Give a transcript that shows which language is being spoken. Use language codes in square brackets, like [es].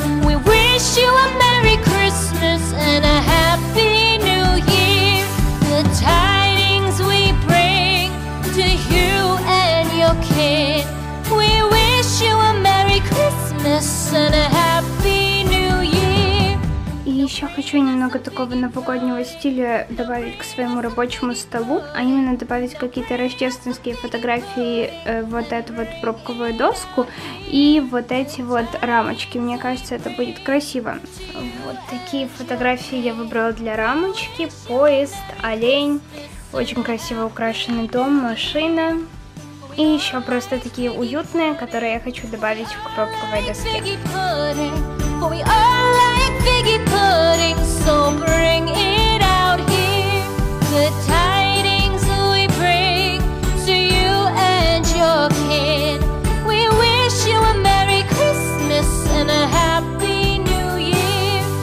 [en] We wish you a Merry Christmas and a Happy New Year. The tidings we bring to you and your kin. We wish you a Merry Christmas and a Happy New Year. [ru] И еще хочу немного такого новогоднего стиля добавить к своему рабочему столу, а именно добавить какие-то рождественские фотографии, вот эту вот пробковую доску и вот эти вот рамочки. Мне кажется, это будет красиво. Вот такие фотографии я выбрала для рамочки. Поезд, олень, очень красиво украшенный дом, машина. И еще просто такие уютные, которые я хочу добавить к пробковой доске. [en] We are like figgy pudding, so bring it out here. The tidings we bring to you and your kin. We wish you a Merry Christmas and a Happy New Year.